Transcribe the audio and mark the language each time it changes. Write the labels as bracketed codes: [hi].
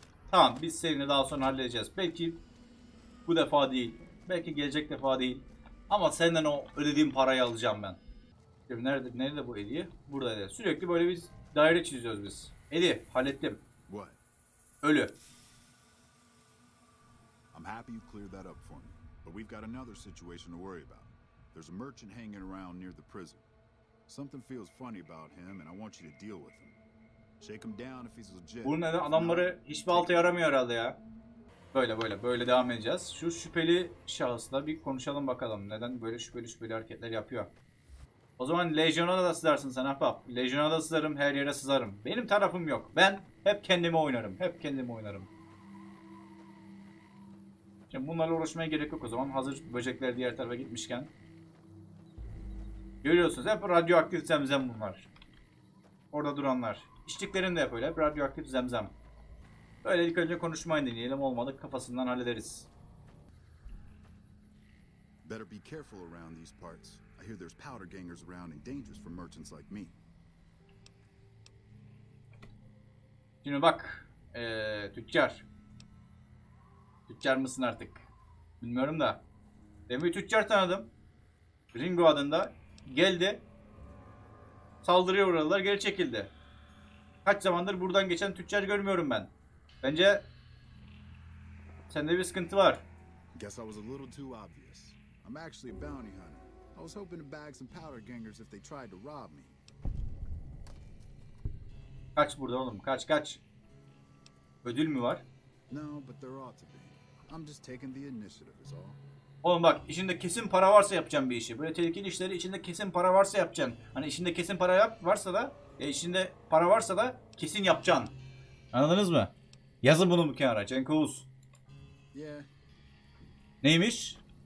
[tr] Tamam, biz seni daha sonra halledeceğiz. Belki bu defa değil, belki gelecek defa değil. Ama senden o ödediğim parayı alacağım ben. Şimdi nerede bu hediye? Burada hediye. Sürekli böyle biz daire çiziyoruz biz. Hediye, hallettim. Ölü. [en] I'm happy you cleared that up for me, but we've got another situation to worry about. There's a merchant hanging around near the prison. Something feels funny about him, and I want you to deal with him. Shake him down if he's legit. [tr] Bu neden adamları hiç balta yaramıyor herhalde ya? Böyle devam edeceğiz. Şu şüpheli şahısla bir konuşalım bakalım. Neden böyle şüpheli hareketler yapıyor? O zaman lejyona da sızarsın sen ahbap. Lejyona da sızarım, her yere sızarım. Benim tarafım yok. Ben hep kendimi oynarım. Şimdi bunlarla uğraşmaya gerek yok o zaman. Hazır böcekler diğer tarafa gitmişken. Görüyorsunuz hep radyoaktif zemzem bunlar. Orada duranlar. İçtiklerim de hep öyle. Hep radyoaktif zemzem. Böyle ilk önce konuşmayı deneyelim. Olmadı kafasından hallederiz. [en] Better be careful around these parts. I hear there's powder gangers around and dangerous for merchants like me. [tr] Şimdi bak, tüccar. Tüccar mısın artık? Bilmiyorum da. Demir tüccar tanıdım. Ringo adında. Geldi. Saldırıya uğradılar, geri çekildi. Kaç zamandır buradan geçen tüccar görmüyorum ben. Bence sende bir sıkıntı var. [en] Guess I was a little too obvious. I'm actually a bounty hunter. I was hoping to bag some powder gangers if they tried to rob me. [tr] Kaç burada oğlum? Kaç. Ödül mü var? [en] No, but there ought to be. I'm just taking the initiative is all. [tr] Oğlum bak, içinde kesin para varsa yapacağım bir işi. Böyle tehlikeli işleri içinde kesin para varsa yapacaksın. Hani içinde kesin para varsa da, içinde para varsa da kesin yapacaksın. Anladınız mı? Yazın bunu bu kenara, Cenkos. Yeah. Neymiş?